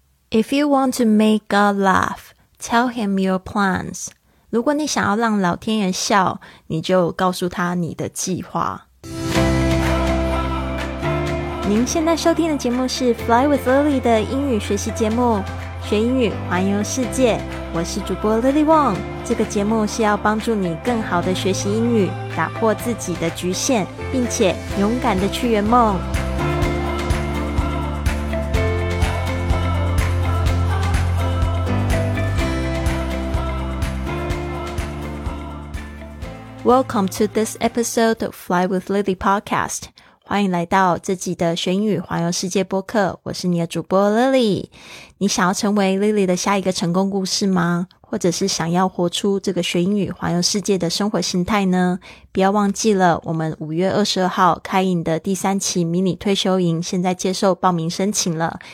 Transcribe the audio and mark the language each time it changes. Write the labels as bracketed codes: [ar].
[en] If you want to make God laugh, tell him your plans. [zh] 如果你想要让老天爷笑，你就告诉他你的计划。您现在收听的节目是 Fly with Lily 的英语学习节目，学英语环游世界。我是主播 Lily Wong。这个节目是要帮助你更好的学习英语，打破自己的局限，并且勇敢的去圆梦。 [en] Welcome to this episode of Fly with Lily podcast. [zh] 欢迎来到这集的学英语环游世界播客，我是你的主播 Lily。你想要成为 Lily 的下一个成功故事吗？或者是想要活出这个学英语环游世界的生活心态呢？不要忘记了，我们5月22号开营的第三期迷你退休营现在接受报名申请了。